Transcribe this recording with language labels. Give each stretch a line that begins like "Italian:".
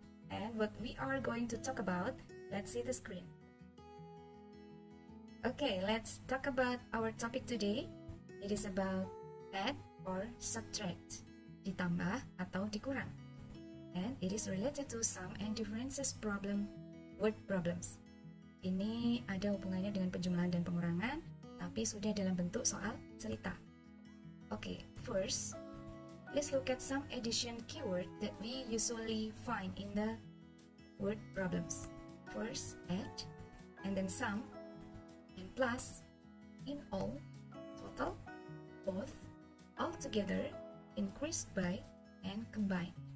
English: And what we are going to talk about, let's see the screen. Okay, let's talk about our topic today. It is about add or subtract,
Indonesian: ditambah atau dikurang.
English: And it is related to sum and differences problem, word problems.
Indonesian: Ini ada hubungannya dengan penjumlahan dan pengurangan, tapi sudah dalam bentuk soal cerita.
English: Okay, first, let's look at some addition keyword that we usually find in the word problems. First, add, and then sum, and plus, in all, total, both, altogether, increased by, and combined.